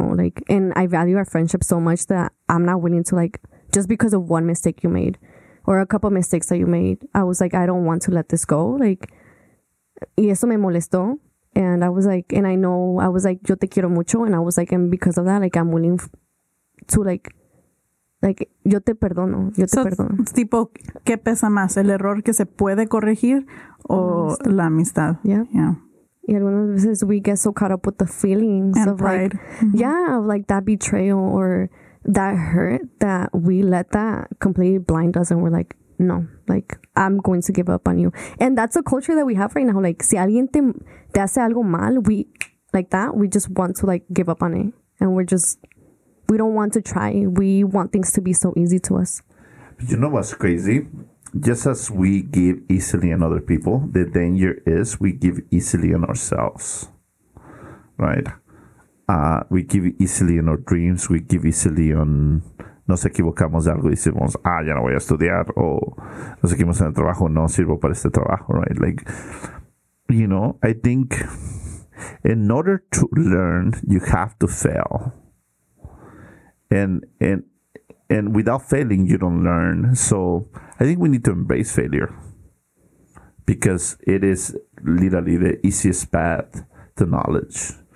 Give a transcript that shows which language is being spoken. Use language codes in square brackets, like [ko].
[en] Like, and I value our friendship so much that I'm not willing to like, just because of one mistake you made or a couple mistakes that you made, I was like, I don't want to let this go. Like, [es] y eso me molestó, [en] and I was like, and I know, I was like, [es] yo te quiero mucho, [en] and I was like, and because of that, like, I'm willing to, like, [es] yo te perdono, yo te perdono. [en] Tipo, [es] ¿qué pesa más, el error que se puede corregir o la amistad? [en] Yeah. [es] Y algunas veces [en] we get so caught up with the feelings and of, pride. Like, of, like, that betrayal or that hurt that we let that completely blind us, and we're like, no, like, I'm going to give up on you. And that's a culture that we have right now. Like, [es] si alguien te hace algo mal, [en] we, like that, we just want to, like, give up on it. And we're just, we don't want to try. We want things to be so easy to us. But you know what's crazy? Just as we give easily on other people, the danger is we give easily on ourselves. Right? We give easily on our dreams. We give easily on... [es] Nos equivocamos de algo y decimos, ah, ya no voy a estudiar, o nos equivocamos en el trabajo, no sirvo para este trabajo, right? [en] Like, you know, I think in order to learn, you have to fail. And And without failing, you don't learn. So I think we need to embrace failure because it is literally the easiest path to knowledge.